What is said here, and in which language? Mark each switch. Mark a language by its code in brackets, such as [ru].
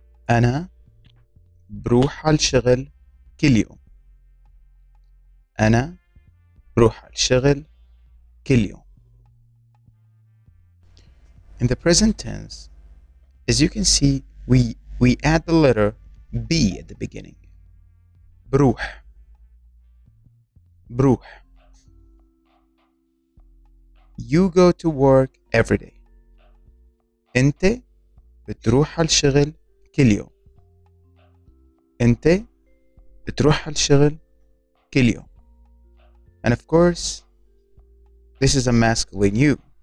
[ar] أنا بروح على الشغل كل يوم. أنا بروح على الشغل كل يوم. [en] In the present tense, as you can see, we add the letter B at the beginning. [ar] بروح بروح. [en] You go to work every day. [ar] أنت بتروح على الشغل كل يوم. أنت بتروح على الشغل كل يوم. [en] And of course, this is a masculine you.